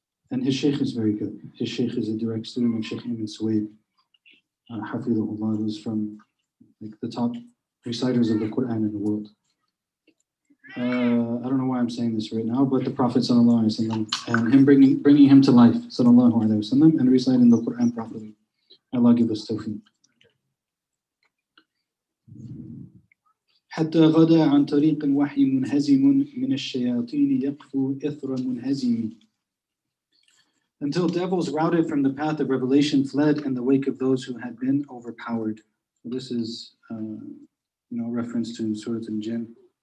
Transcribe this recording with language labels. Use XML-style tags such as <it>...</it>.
<en>And his Shaykh is very good. His Shaykh is a direct student of Shaykh Ibn Suwayb hafizahullah, who's from like the top reciters of the Quran in the world. I don't know why I'm saying this right now, but the Prophet sallallahu alaihi wasallam and him bringing him to life sallallahu alaihi wasallam and reciting the Quran properly. Allah give us tawfiq.</en> <ar>حتى غدا عن طريق وحي منهزم من الشياطين يقفو إثر منهزم.</ar> <en>Until devils routed from the path of revelation fled in the wake of those who had been overpowered. So this is reference to Surah Al-Jinn.</en>